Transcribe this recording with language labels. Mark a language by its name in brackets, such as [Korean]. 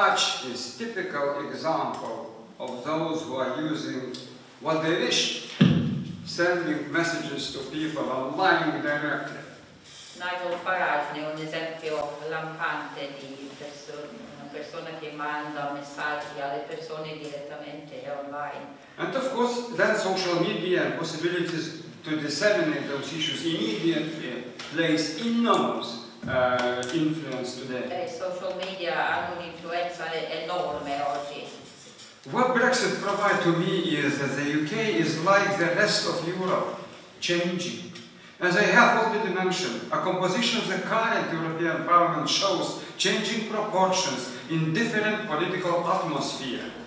[English] Nigel Farage is a typical example of those who are using what they wish, sending messages to people and lying directly. [Italian] Nigel Farage è un esempio lampante di una persona che manda messaggi alle persone direttamente online. [English] And of course, then social media and possibilities to disseminate those issues immediately plays enormous influence today. [Italian] Social media hanno un'influenza enorme oggi. [English] What Brexit provides to me is that the UK is like the rest of Europe, changing. As I have already mentioned, a composition of the current European Parliament shows changing proportions in different political atmosphere.